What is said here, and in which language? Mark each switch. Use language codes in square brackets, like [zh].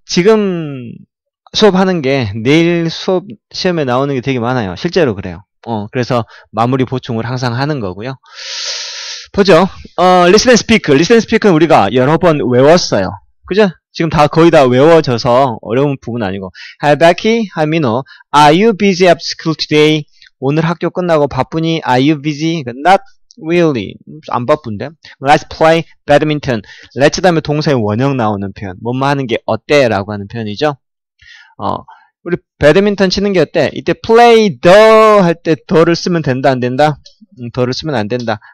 [ko] 지금 수업하는 게 내일 수업 시험에 나오는 게 되게 많아요. 실제로 그래요. 그래서 마무리 보충을 항상 하는 거고요. 보죠. [en] Listen and speak. [ko] Listen and speak은 우리가 여러 번 외웠어요. 그죠? 지금 다 거의 다 외워져서 어려운 부분 아니고. [en] Hi Becky, Hi Mino. Are you busy at school today? [ko] 오늘 학교 끝나고 바쁘니? [en] Are you busy? Not really. [ko] 안 바쁜데? [en] Let's play badminton. [ko] Let's 다음에 동사의 원형 나오는 표현. 뭐뭐 하는 게 어때? 라고 하는 표현이죠. 우리 배드민턴 치는 게 어때? 이때 play the 할때 the를 쓰면 된다, 안 된다? the를 쓰면 안 된다.